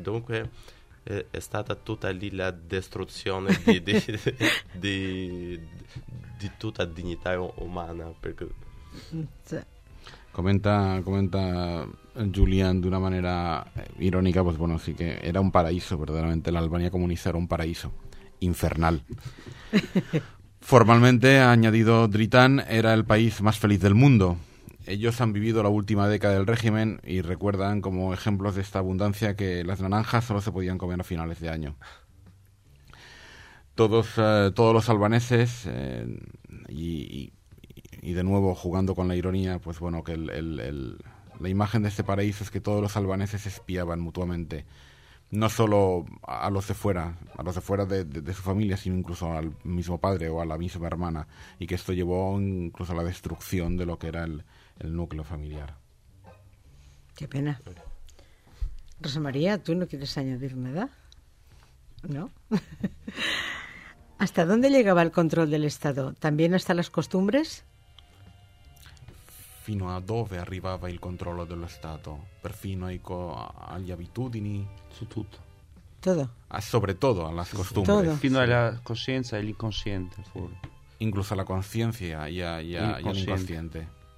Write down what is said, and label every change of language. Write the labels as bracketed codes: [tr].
[it] Dunque è stata tutta lì la distruzione di tutta dignità umana. [es] Comenta Julián de una manera irónica, pues bueno, sí que era un paraíso, verdaderamente la Albania comunista era un paraíso infernal. Formalmente, ha añadido Dritán, era el país más feliz del mundo. Ellos han vivido la última década del régimen y recuerdan como ejemplos de esta abundancia que las naranjas solo se podían comer a finales de año. Todos los albaneses y de nuevo jugando con la ironía, pues bueno, que la imagen de este paraíso es que todos los albaneses espiaban mutuamente, no solo a los de fuera de su familia, sino incluso al mismo padre o a la misma hermana, y que esto llevó incluso a la destrucción de lo que era el núcleo familiar. Qué pena. Rosa María, ¿tú no quieres añadir nada? ¿No? ¿Hasta dónde llegaba el control del Estado? ¿También hasta las costumbres? [it] Fino a dove arrivava il controllo dello Stato? Perfino agli abitudini? Su tutto. Tutto? Soprattutto alle costumbre. Fino alla coscienza e all'inconsciente. [es] incluso la conciencia y el inconsciente.